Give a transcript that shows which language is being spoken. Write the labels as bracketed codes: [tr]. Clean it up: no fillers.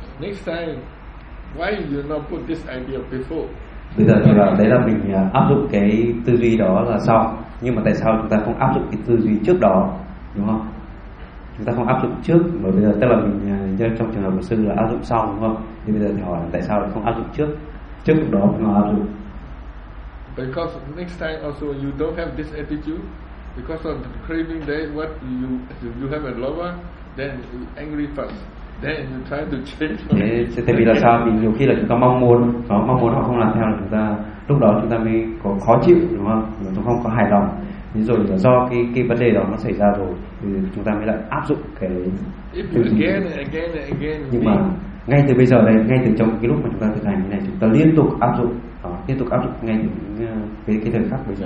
[en] Next time, why you not put this idea before? [vi] Bây giờ thì là đấy là mình áp dụng cái tư duy đó là sau, nhưng mà tại sao chúng ta không áp dụng cái tư duy trước đó, đúng không? Chúng ta không áp dụng trước mà bây giờ tức là mình trong trường hợp của sư là áp dụng sau, đúng không? Thì bây giờ thì hỏi tại sao không áp dụng trước đó mình áp dụng? [en] Because next time also you don't have this attitude because of the craving that what you have a lower then you angry first then you try to change. [vi] Thế tại vì là sao? Vì nhiều khi là chúng ta mong muốn họ không làm theo là chúng ta lúc đó chúng ta mới có khó chịu, đúng không? Chúng ta không có hài lòng. Thế rồi là do cái vấn đề đó nó xảy ra rồi thì chúng ta mới lại áp dụng cái [en] again. [vi] Nhưng mà ngay từ bây giờ đây, ngay từ trong cái lúc mà chúng ta thực hành như này, chúng ta liên tục áp dụng đó, liên tục áp dụng ngay từ cái thời khắc bây giờ.